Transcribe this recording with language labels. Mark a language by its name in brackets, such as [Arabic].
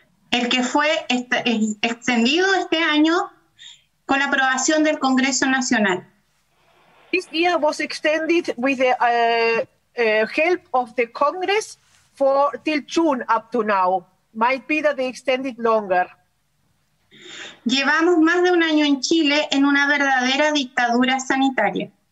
[Spanish] El que fue extendido este año con la aprobación del Congreso Nacional. [English] This year was extended with the help of the Congress for till June up to now. Might be that they extended longer. [Spanish] Llevamos más de un año en Chile en una verdadera dictadura sanitaria.